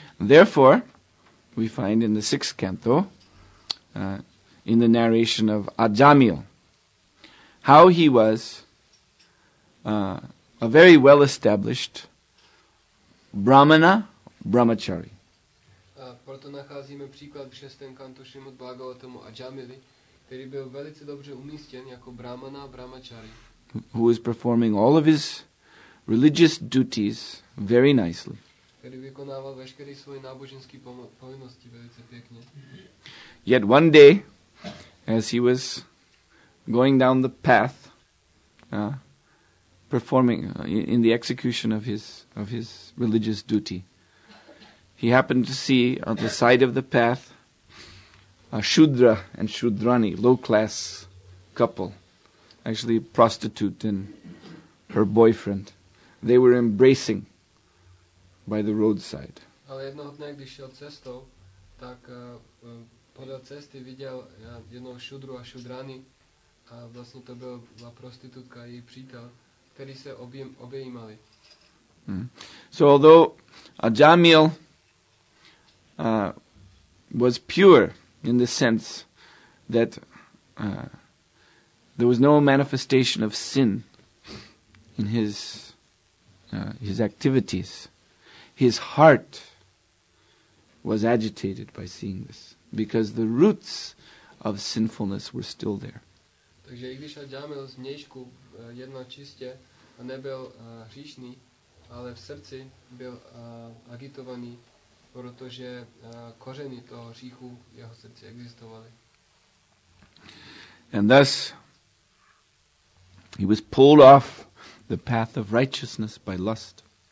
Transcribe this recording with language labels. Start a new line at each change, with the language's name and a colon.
English: Therefore, we find in the sixth canto, in the narration of Ajamil, how he was a very well-established Brahmana, Brahmachari.
Czech: A proto nacházíme příklad v 6. kantu Šrimad Bhagavatamu Ajamili, který byl velice dobře umístěn jako Brahmana, Brahmachari.
English: Who was performing all of his religious duties very nicely.
Czech: Který vykonával veškeré svoje náboženské povinnosti velice pěkně.
English: Yet one day, as he was going down the path, performing in the execution of his religious duty, he happened to see on the side of the path a Shudra and Shudrani, low-class couple, actually a prostitute and her boyfriend. They were embracing by the roadside.
Czech: Ale jednoho dne, když šel cestou, tak podle cesty viděl jednoho Šudru a Šudrani, a vlastně to byla prostitutka a její přítel, který se objímali.
English: So although Ajamil was pure in the sense that there was no manifestation of sin in his activities, his heart was agitated by seeing this, because the roots of sinfulness were still there.
Czech: Takže i když Ajamil z vnějšku jednal čistě a nebyl hříšný, ale v srdci byl agitovaný, protože kořeny toho hříchu v jeho srdci existovaly.
English: And thus he was pulled off the path of righteousness by lust.